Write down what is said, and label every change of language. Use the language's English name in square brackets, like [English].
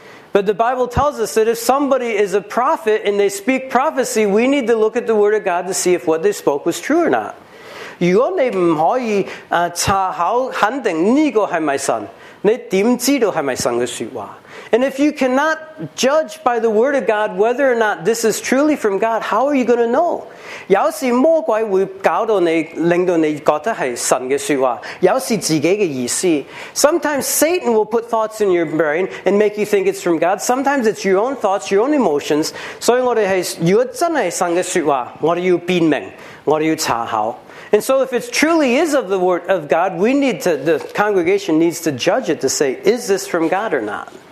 [English] But the Bible tells us that if somebody is a prophet and they speak prophecy, we need to look at the Word of God to see if what they spoke was true or not. [Cantonese] 如果你唔可以查考肯定呢个系咪神，你点知道系咪神嘅说话？ [English] And if you cannot judge by the Word of God whether or not this is truly from God, how are you going to know? [Cantonese] 有时魔鬼会搞到你，令到你觉得系神嘅说话，有时自己嘅意思。 [English] Sometimes Satan will put thoughts in your brain and make you think it's from God. Sometimes it's your own thoughts, your own emotions. [Cantonese] 所以我哋系，如果真系神嘅说话，我哋要辨明，我哋要查考。 [English] And so if it truly is of the Word of God, we need to, the congregation needs to judge it to say, is this from God or not?